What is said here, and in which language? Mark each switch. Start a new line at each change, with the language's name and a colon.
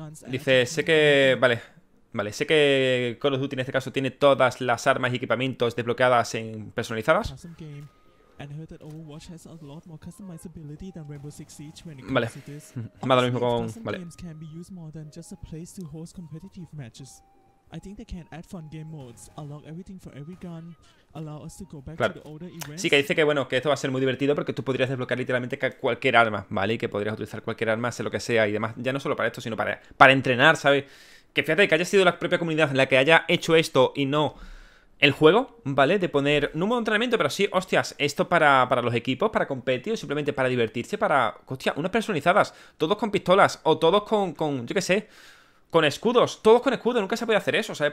Spanish: Dice, sé que. Vale, sé que Call of Duty en este caso tiene todas las armas y equipamientos desbloqueadas en personalizadas.
English: And heard that Overwatch has a lot more customizability than Rainbow Six Siege when it comes vale. to this.
Spanish: Vale, lo mismo con... Vale.
English: Games can be used more than just a place to host competitive matches. I think they can add fun game modes, unlock everything for every gun, allow us to go back claro. to the older events.
Spanish: Sí, que dice que bueno, que esto va a ser muy divertido porque tú podrías desbloquear literalmente cualquier arma, ¿vale? Y que podrías utilizar cualquier arma, sea lo que sea y demás. Ya no solo para esto, sino para entrenar, ¿sabes? Que fíjate que haya sido la propia comunidad la que haya hecho esto y no el juego, ¿vale? De poner, no un modo de entrenamiento, pero sí, hostias, esto para los equipos, para competir, o simplemente para divertirse, para, hostia, unas personalizadas, todos con pistolas, o todos con yo qué sé, con escudos, todos con escudo, nunca se puede hacer eso, ¿sabes?